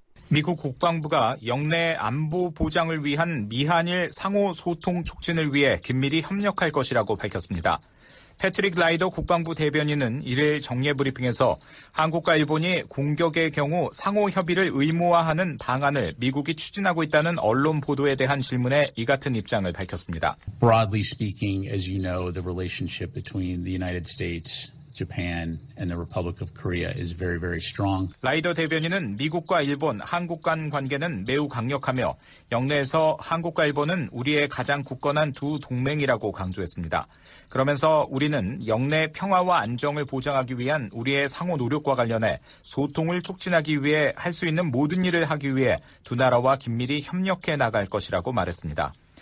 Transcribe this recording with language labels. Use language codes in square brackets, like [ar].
[ko] 미국 국방부가 영내 안보 보장을 위한 미한일 상호 소통 촉진을 위해 긴밀히 협력할 것이라고 밝혔습니다. 패트릭 라이더 국방부 대변인은 1일 정례 브리핑에서 한국과 일본이 공격의 경우 상호 협의를 의무화하는 방안을 미국이 추진하고 있다는 언론 보도에 대한 질문에 이 같은 입장을 밝혔습니다. [en] Broadly speaking, as you know, the relationship between the United States, Japan, and the Republic of Korea is very, very strong. [ko] 라이더 대변인은 미국과 일본, 한국 간 관계는 매우 강력하며 영내에서 한국과 일본은 우리의 가장 굳건한 두 동맹이라고 강조했습니다. 그러면서 우리는 영내 평화와 안정을 보장하기 위한 우리의 상호 노력과 관련해 소통을 촉진하기 위해 할 수 있는 모든 일을 하기 위해 두 나라와 긴밀히 협력해 나갈 것이라고 말했습니다.